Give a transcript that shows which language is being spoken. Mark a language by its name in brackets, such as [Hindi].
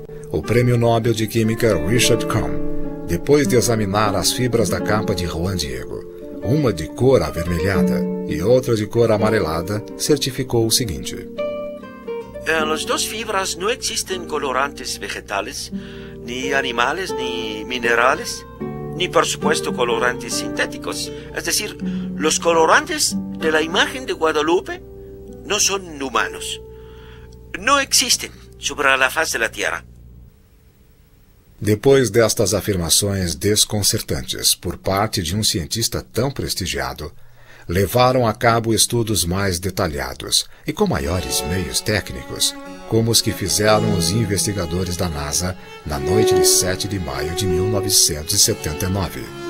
[Portuguese] O Prêmio Nobel de Química Richard Kohn, depois de examinar as fibras da capa de Juan Diego, uma de cor avermelhada e outra de cor amarelada, certificou o seguinte: as duas fibras não existem colorantes vegetais, nem animais, nem minerais, [Spanish] ni por supuesto colorantes sintéticos. Es decir, los colorantes de la imagen de Guadalupe no son humanos. No existen sobre la faz de la Tierra. [Portuguese] Depois destas afirmações desconcertantes por parte de um cientista tão prestigiado, levaram a cabo estudos mais detalhados e com maiores meios técnicos, como os que fizeram os investigadores da NASA na noite de 7 de maio de 1979.